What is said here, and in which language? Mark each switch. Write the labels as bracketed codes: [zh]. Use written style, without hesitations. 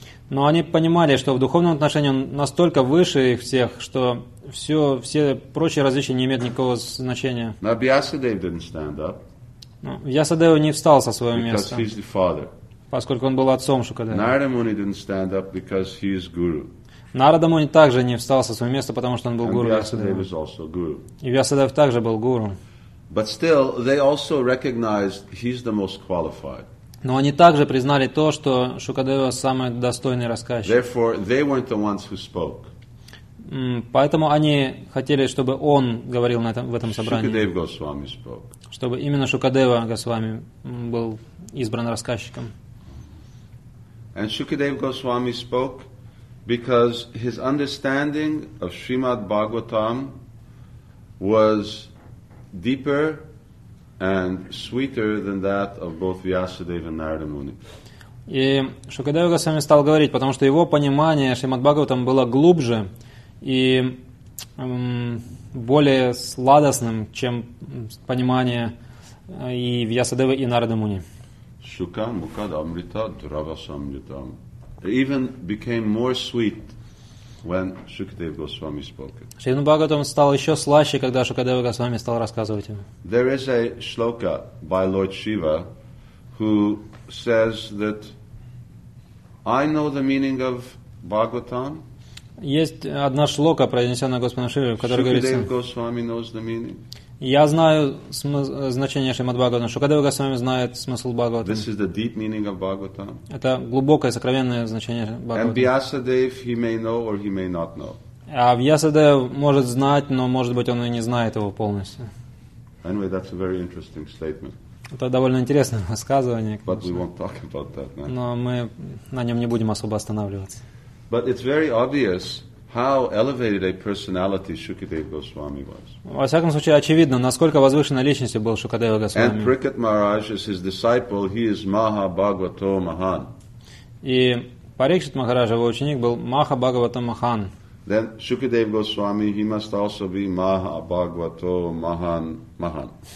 [ru] Но они понимали, что в духовном отношении он настолько выше их всех, что все прочие различия не имеют никакого значения. [en] Now Vyasadeva didn't stand up. [ru] Vyasadeva не встал со своего места. [en] Because he's the father. [ru] Поскольку он был отцом Шукадевы. [en] Narada Muni didn't stand up because he is guru. [ru] Narada Muni также не встал со своего места, потому что он был гуру. [en] Vyasadeva is also guru. [ru] И Vyasadeva также был гуру. [en] But still, they also recognized he's the most qualified. [ru] Но они также признали то, что Шукадева самый достойный рассказчик. [en] Therefore, they weren't the ones who spoke. [ru] Поэтому они хотели, чтобы он говорил в этом собрании. [en] Shukadeva Goswami spoke. [ru] Чтобы именно Шукадева Госвами был избран рассказчиком. [en] And Shukadeva Goswami spoke because his understanding of Srimad Bhagavatam was deeper and sweeter than that of both Vyasadeva and Narada Muni. [ru] И Шукадева Госвами стал говорить, потому что его понимание Шримад Бхагаватам было глубже и более сладостным, чем понимание и Вьясадевы, и Нарада Муни. Шука, мукад, амрита, дурава, самритам. [en] It even became more sweet when Shukadeva Goswami spoke it. [ru] Шримад Бхагаватам стал еще слаще, когда Шукадева Госвами стал рассказывать ему. [en] There is a shloka by Lord Shiva who says that I know the meaning of Bhagavatam. [ru] Есть одна шлока, произнесенная Господом Шиве, в которой Shukadeva говорится, я знаю значение Шримад Бхагаватам, Шукадева Госвами знает смысл Бхагаватам. Это глубокое, сокровенное значение Бхагаватам. А Вьясадев может знать, но, может быть, он и не знает его полностью. [en] Anyway, that's a very interesting statement. [ru] Это довольно интересное высказывание, конечно. [en] But we won't talk about that, right? [ru] Но мы на нем не будем особо останавливаться. [en] But it's very obvious how elevated a personality Shukadeva Goswami was. [ru] Во всяком случае, очевидно, насколько возвышенной личностью был Шукадева Госвами. [en] And Prikhat Maharaj is his disciple. He is Maha Bhagavato Mahan. [ru] И Парикшит Махарадж, его ученик, был Маха Бхагавато Махан. [en] Then Shukadeva Goswami, he must also be Maha Bhagavato Mahan Mahan.